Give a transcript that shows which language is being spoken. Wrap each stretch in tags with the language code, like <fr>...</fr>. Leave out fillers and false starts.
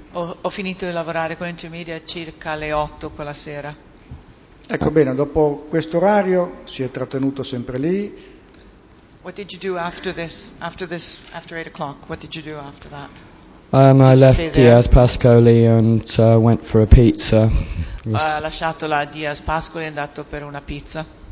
<it>Ho finito di lavorare con Indymedia circa le 8 quella sera. Ecco, bene, dopo questo orario si è trattenuto sempre lì.</it> <en>What did you do after this? After 8 o'clock, what did you do after that? I left Diaz Pascoli and went for a pizza.</en> <it>Ha lasciato la Diaz Pascoli e è andato per una pizza.</it>